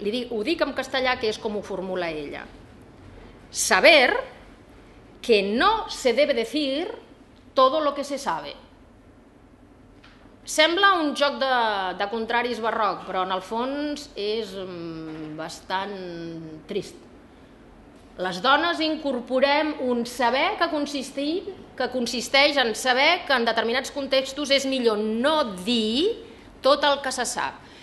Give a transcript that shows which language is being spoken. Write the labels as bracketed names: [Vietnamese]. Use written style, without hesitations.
[Catalan] Ho dic en castellà, que és com ho formula ella. [Spanish] Saber que no se debe decir todo lo que se sabe. [Catalan] Sembla un joc de contraris barroc, però en el fons és bastant trist. Les dones incorporem un saber que consisteix en saber que en determinats contextos és millor no dir tot el que se sap.